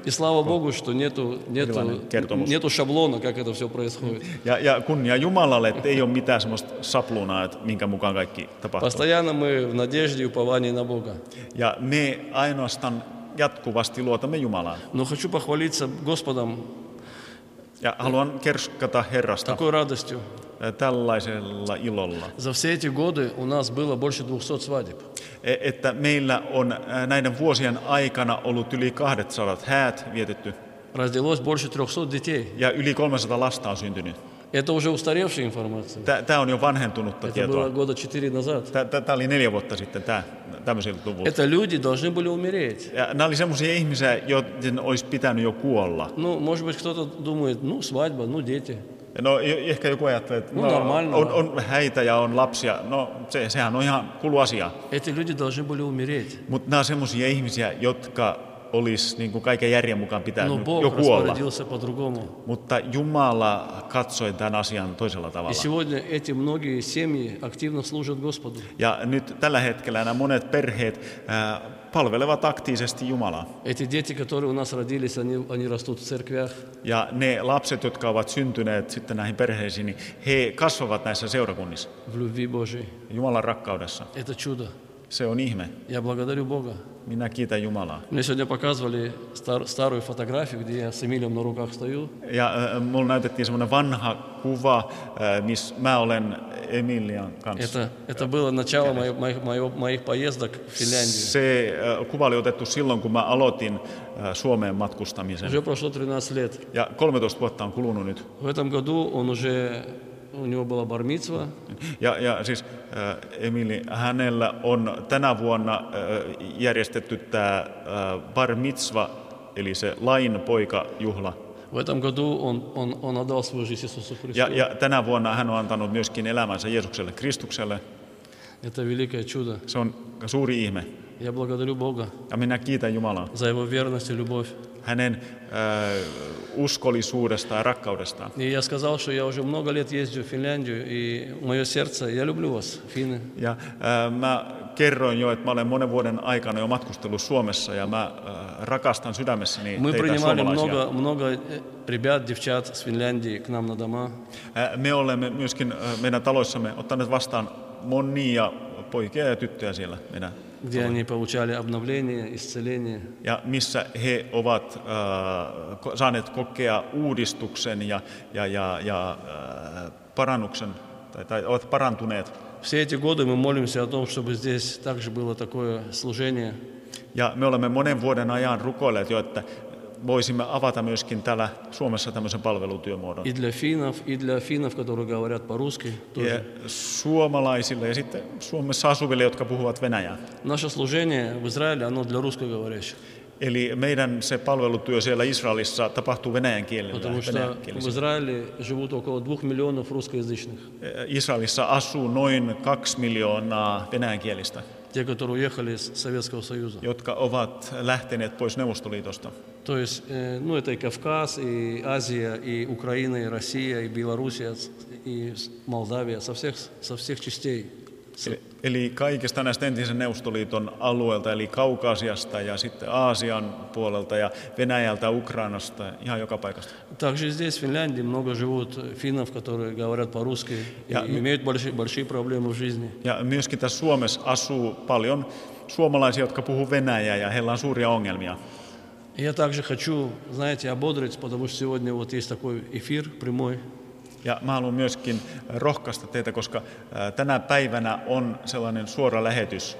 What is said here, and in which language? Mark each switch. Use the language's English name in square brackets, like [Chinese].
[Russian] И слава Богу, что нету шаблона, как это все происходит. [Finnish] Ja kunnia Jumalalle, että ei ole mitään semmoista sapluunaa, että minkä mukaan kaikki tapahtuu. [Russian] Постоянно мы в надежде и уповании на Бога. [Finnish] Ja me ainoastaan jatkuvasti luotamme Jumalaan. [Russian] Но хочу похвалиться Господом. [Finnish] Ja haluan kerskata Herrasta. [Russian] Такой радостью. [Finnish] Tällaisella ilolla. [Russian] За все эти годы у нас было больше 200 свадеб. [Finnish] Että meillä on näiden vuosien aikana ollut yli 200 häät vietetty. [Russian] Родилось больше 300 детей. [Finnish] Ja yli 300 lasta on syntynyt. [Russian] Это уже устаревшая информация. [Finnish] Tämä on jo vanhentunutta [Russian] это [Finnish] tietoa. [Russian] Это было года 4 назад. [Finnish] Tämä oli 4 vuotta sitten, tämmöisiltä luvulta. [Russian] Это люди должны были умереть. [Finnish] Ja nämä oli semmoisia ihmisiä, joiden olisi pitänyt jo kuolla. [Russian] Ну, может быть, кто-то думает, ну, свадьба, ну, дети. [Finnish] No ehkä joku ajattelee, että no, on häitä ja on lapsia. No sehän on ihan kulu asia. [Russian] Эти люди должны были умереть. [Finnish] Mutta nämä on semmoisia ihmisiä, jotka olisi niin kuin kaiken järjen mukaan pitänyt no, jo kuolla. [Russian] По-другому. [Finnish] Mutta Jumala katsoi tämän asian toisella тавалla. [Russian] И сегодня эти многие семьи активно служат Господу. [Finnish] Ja nyt tällä hetkellä nämä monet perheet palvelevat aktiivisesti Jumalaa. [Russian] Эти дети, которые у нас родились, они растут в церквях. [Finnish] Ja ne lapset, jotka ovat syntyneet sitten näihin perheisiin, niin he kasvavat näissä seurakunnissa. [Russian] В любви Божьей. [Finnish] Jumalan rakkaudessa. [Russian] Это чудо. [Finnish] Se on ihme. [Russian] Я благодарю Бога. [Finnish] Minä kiitän Jumalaa. [Russian] Мне сегодня показывали старую фотографию, где я с Эмилием на руках стою. [Finnish] Ja mulla näytettiin semmoinen vanha kuva, missä mä olen Эмилиан kanssa. [Russian] Это было начало моих поездок в Финляндию. [Finnish] Se kuva oli otettu silloin, kun mä aloitin Suomeen matkustamisen. [Russian] Уже прошло 13 лет. [Finnish] Ja 13 vuotta on kulunut nyt. [Russian] В этом году он уже... У него была бар мицва. [Finnish] Ja siis Эмили, hänellä on tänä vuonna järjestetty tämä бар мицва, eli se lain poika juhla. [Russian] В этом году он отдал свою жизнь Иисусу Христу. [Finnish] Ja tänä vuonna hän on antanut myöskin elämänsä Jeesukselle Kristukselle. [Russian] Это великое чудо. [Finnish] Se on suuri ihme. [Russian] Я благодарю Бога. [Finnish] Ja minä kiitän Jumalaa. [Russian] За его верность и любовь. [Finnish] Hänen uskollisuudesta ja rakkaudesta. [Russian] И я сказал, что я уже много лет езжу в Финляндию, и мое сердце, я люблю вас, финны. [Finnish] Ja mä kerroin jo, että mä olen monen vuoden aikana jo matkustellut Suomessa, ja mä rakastan sydämessäni teitä suomalaisia. [Russian] Мы принимали много ребят, девчат с Финляндии к нам на дома. [Finnish] Me olemme myöskin meidän taloissamme ottaneet vastaan monia poikia ja tyttöjä siellä meidän. [Russian] Где они получали обновление, исцеление. [Finnish] Ja missä he ovat saaneet kokea uudistuksen ja parannuksen, tai ovat parantuneet. [Russian] Все эти годы мы молимся о том, чтобы здесь также было такое служение. [Finnish] Ja me olemme monen vuoden ajan rukoilleet jo, että voisimme avata myöskin täällä Suomessa tämmöisen palvelutyömuodon. [Russian] И для финнов, которые говорят по-русски. [Finnish] Ja suomalaisille ja sitten Suomessa asuville, jotka puhuvat venäjää. [Russian] Наше служение в Израиле, оно для русскоговорящих. [Finnish] Eli meidän se palvelutyö siellä Israelissa тапахтуу venäjän kielellä. [Russian] Потому что в Израиле живут около 2 миллионов русскоязычных. [Finnish] Израилissa asuu noin 2 miljoonaa venäjän kielistä. [Russian] Те, которые уехали из Советского Союза. [Finnish] Jotka ovat lähteneet pois Neuvostoliitosta. [Russian] То есть, ну это и Кавказ, и Азия, и Украина, и Россия, и Белоруссия, и Молдавия, со всех частей. [Finnish] Eli kaikista näistä entisen Neuvostoliiton alueelta, eli Kaukasiasta ja sitten Aasian puolelta ja Venäjältä, Ukrainasta, ihan joka paikasta. [Russian] Также здесь, в Финляндии, много живут финнов, которые говорят по-русски [Finnish] ja, [Russian] и имеют большие проблемы в жизни. [Finnish] Ja myöskin tässä Suomessa asuu paljon suomalaisia, jotka puhuu venäjää ja heillä on suuria ongelmia. [Russian] Я также хочу, знаете, ободрить, потому что сегодня вот есть такой эфир прямой. [Finnish] Ja mä haluan myöskin rohkaista teitä, koska tänä päivänä on sellainen suora lähetys.